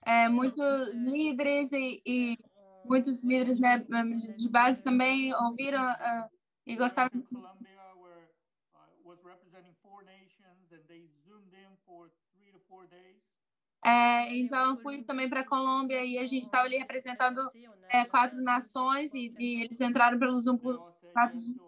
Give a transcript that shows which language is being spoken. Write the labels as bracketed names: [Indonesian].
[Portuguese] Muitos líderes e muitos líderes, né, de base também ouviram e gostaram. [English] Colômbia, where was representing 4 nations, and they zoomed in for 3 to 4 days. [Portuguese] Então, fui também para a Colômbia e a gente estava ali representando quatro nações e eles entraram pelo Zoom por quatro.